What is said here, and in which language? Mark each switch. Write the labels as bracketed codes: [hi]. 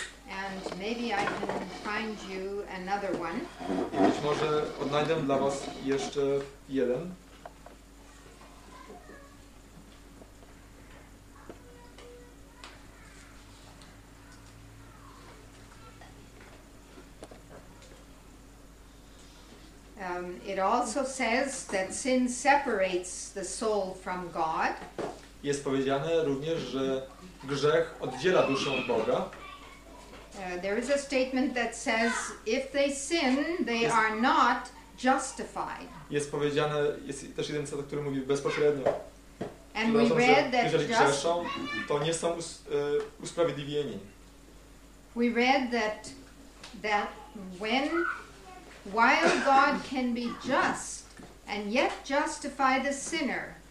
[en] And maybe I can find you another one. [pl] I być może odnajdę dla was jeszcze jeden. [en] It also says that sin separates the soul from God. [pl] Jest powiedziane również, że grzech oddziela duszę od Boga. [en] There is a statement that says if they sin, they are not justified. [pl] Jest powiedziane, jest też jeden cytat, który mówi bezpośrednio. [en] And we read that [pl] jeżeli grzeszą, to nie są usprawiedliwieni. [en] We read that when while God can be just and yet justify the sinner.